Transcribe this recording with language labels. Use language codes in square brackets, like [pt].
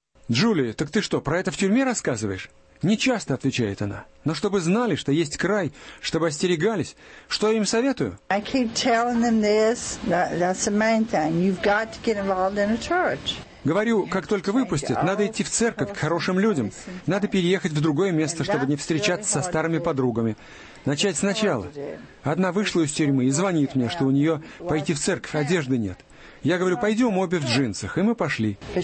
[ru] Джули, так ты что, про это в тюрьме рассказываешь? Не часто, отвечает она. Но чтобы знали, что есть край, чтобы остерегались, что я им советую? [en] I keep telling them this. That's the main thing. You've got to get involved in a church. [ru] Говорю, как только выпустят, надо идти в церковь к хорошим людям. Надо переехать в другое место, чтобы не встречаться со старыми подругами. Начать сначала. Одна вышла из тюрьмы и звонит мне, что у нее пойти в церковь, одежды нет. Я говорю, пойдем обе в джинсах, и мы пошли.